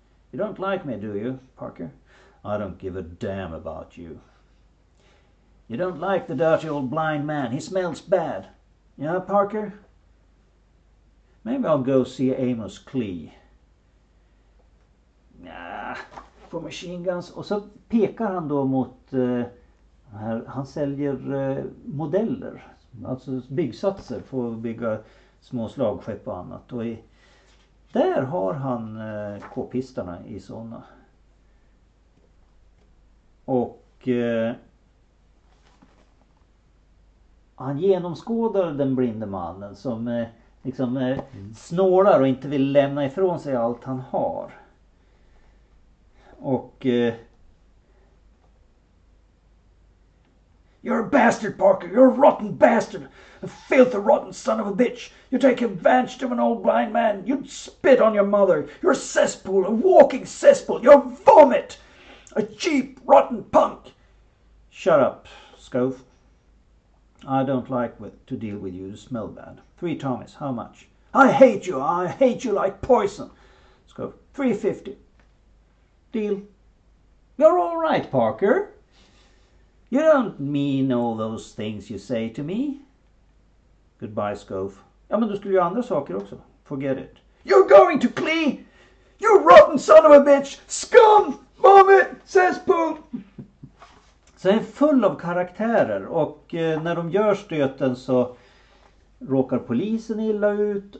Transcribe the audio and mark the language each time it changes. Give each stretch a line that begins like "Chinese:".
English: You don't like me, do you, Parker? I don't give a damn about you. You don't like the dirty old blind man. He smells bad. Yeah, Parker? Maybe I'll go see Amos Klee. Nah, for machine guns.
Swedish: Och så pekar han då mot, här, han säljer modeller. Alltså byggsatser för att bygga små slagskepp och annat. Och där har han k-pistarna i såna. Och han genomskådar den blinde mannen som liksom snålar och inte vill lämna ifrån sig allt han har. Och
English: you're a bastard, Parker. You're a rotten bastard. A filthy, rotten son of a bitch. You take advantage of an old blind man. You'd spit on your mother. You're a cesspool, a walking cesspool. You're vomit. A cheap, rotten punk. Shut up, Scoff. I don't like to deal with you. You smell bad. 3 Tommies. How much? I hate you. I hate you like poison. Scoff. 350. Deal. You're all right, Parker. You don't mean all those things you say to me. Goodbye, Scoff.
Swedish: Ja, men du skulle ju andra saker också.
English: Forget it. You're going to Klee! You rotten son of a bitch! Scum! Vomit! Cesspool!
Swedish: Så han är full av karaktärer. Och när de gör stöten så råkar polisen illa ut.